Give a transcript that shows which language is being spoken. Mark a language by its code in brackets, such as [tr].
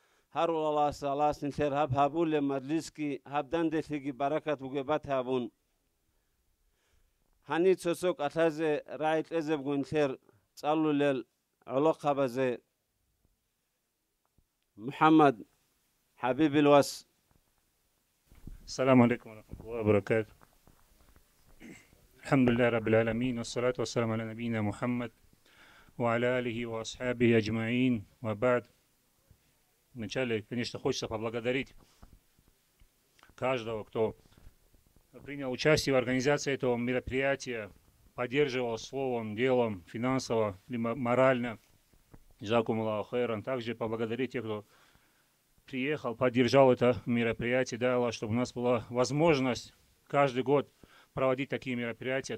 [ar] هرو الله هست الله هست نیشه هب هبول مدلیس کی هب دنده شیگی براکت بوگیب بات هبون هنی چسوک اتاز رایت ازب گو نیشه چالو لیل علاقه بزه محمد حبيب الوس. السلام عليكم ورحمة الله وبركاته. الحمد لله رب العالمين والصلاة والسلام على نبينا محمد وعلى آله وأصحابه أجمعين وبعد. [ru] Вначале, конечно, хочется поблагодарить каждого, кто принял участие в организации этого мероприятия, поддерживал словом, делом, финансово или морально. [ar] Джазакум Аллаху хайран. [ru] Также поблагодарить тех, кто приехал, поддержал это мероприятие, дай Аллах, чтобы у нас была возможность каждый год проводить такие мероприятия.